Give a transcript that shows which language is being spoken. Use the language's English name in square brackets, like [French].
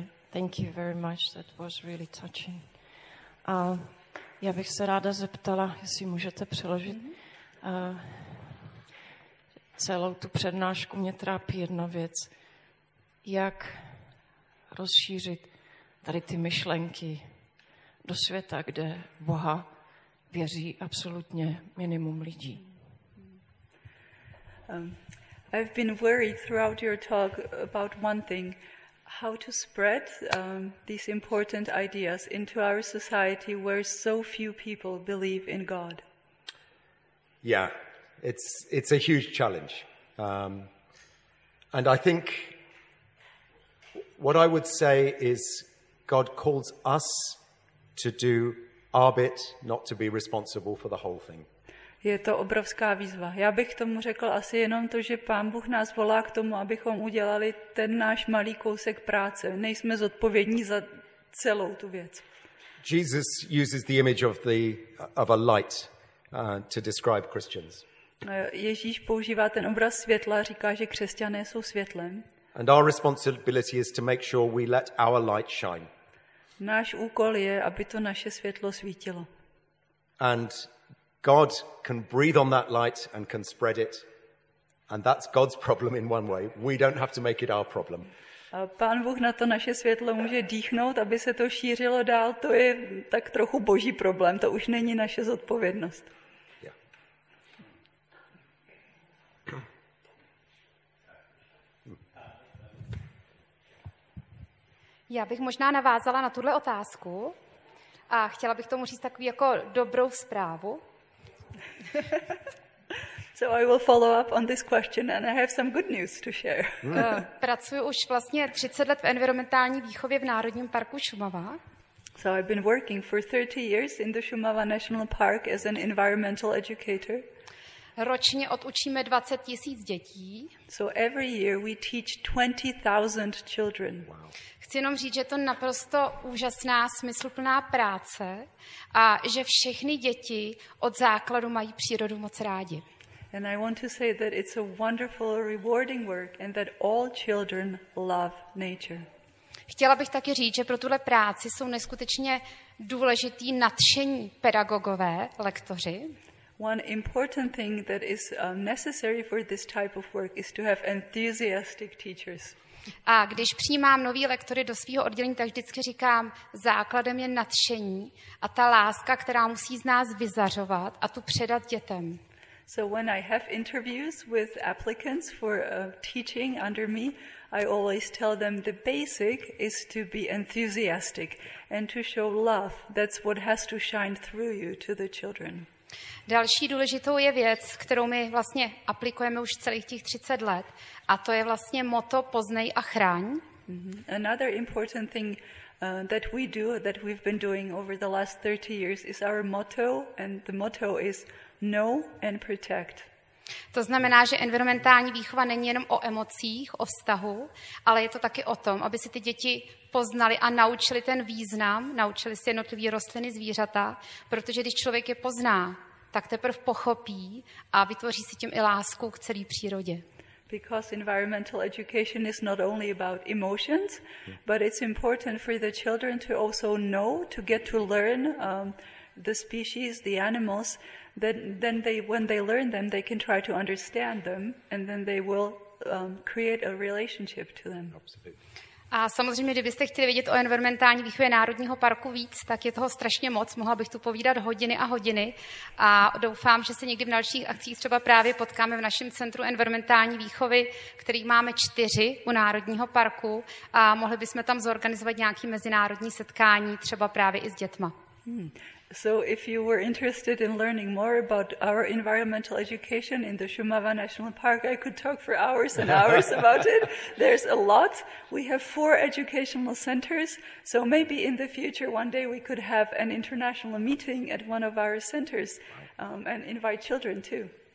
[English] Thank you very much, that was really touching. [Czech] Já bych se ráda zeptala, jestli můžete přeložit. Celou tu přednášku mě trápí jedna věc. Jak rozšířit tady ty myšlenky do světa, kde Boha věří absolutně minimum lidí? [English] I've been worried throughout your talk about one thing. How to spread these important ideas into our society where so few people believe in God? Yeah. It's a huge challenge. And I think what I would say is God calls us to do our bit, not to be responsible for the whole thing. [Czech] Je to obrovská výzva. Já bych tomu řekl asi jenom to, že Pán Bůh nás volá k tomu, abychom udělali ten náš malý kousek práce. Nejsme zodpovědní za celou tu věc. [English] Jesus uses the image of a light to describe Christians. [Czech] Ježíš používá ten obraz světla, říká, že křesťané jsou světlem. [English] And our responsibility is to make sure we let our light shine. [Czech] Náš úkol je, aby to naše světlo svítilo. [English] And God can breathe on that light and can spread it. And that's God's problem in one way. We don't have to make it our problem. [Czech] A Pán Bůh na to naše světlo může dýchnout, aby se to šířilo dál. To je tak trochu Boží problém. To už není naše zodpovědnost. Já bych možná navázala na tuhle otázku a chtěla bych tomu říct takový jako dobrou zprávu. [English] So I will follow up on this question and I have some good news to share. [Czech] Pracuji už vlastně 30 let v environmentální výchově v Národním parku Šumava. [English] So I've been working for 30 years in the Šumava National Park as an environmental educator. [Czech] Ročně odučíme 20 000 dětí. [English] So every year we teach 20,000 children. Wow. [Czech] Chci jenom říct, že to je naprosto úžasná, smysluplná práce a že všechny děti od základu mají přírodu moc rádi. [English] And I want to say that it's a wonderful, rewarding work and that all children love nature. [Czech] Chtěla bych taky říct, že pro tuhle práci jsou neskutečně důležitý nadšení pedagogové, lektoři. [English] One important thing that is necessary for this type of work is to have enthusiastic teachers. [Czech] A když přijímám nový lektory do svého oddělení, tak vždycky říkám, základem je nadšení a ta láska, která musí z nás vyzařovat a tu předat dětem. [English] So when I have interviews with applicants for teaching under me, I always tell them the basic is to be enthusiastic and to show love. That's what has to shine through you to the children. [Czech] Další důležitou je věc, kterou my vlastně aplikujeme už celých těch 30 let, a to je vlastně motto poznej a chráň. [English] Another important thing that we do, that we've been doing over the last 30 years is our motto, and the motto is know and protect. [Czech] To znamená, že environmentální výchova není jenom o emocích, o vztahu, ale je to taky o tom, aby si ty děti poznali a naučili ten význam, naučili si jednotlivé rostliny, zvířata, protože když člověk je pozná, tak teprve pochopí a vytvoří si tím i lásku k celé přírodě. [English] Because environmental education is not only about emotions, but it's important for the children to also know, to get to learn the species, the animals, then they, when they learn them, they can try to understand them, and then they will create a relationship to them. Absolutely. [Czech] A samozřejmě, kdybyste chtěli vědět o environmentální výchově Národního parku víc, tak je toho strašně moc, mohla bych tu povídat hodiny a hodiny a doufám, že se někdy v dalších akcích třeba právě potkáme v našem centru environmentální výchovy, který máme 4 u Národního parku a mohli bychom tam zorganizovat nějaké mezinárodní setkání třeba právě i s dětma. [English] So if you were interested in learning more about our environmental education in the Šumava National Park, I could talk for hours and hours about it. There's a lot. We have 4 educational centers, so maybe in the future one day we could have an international meeting at one of our centers and invite children too.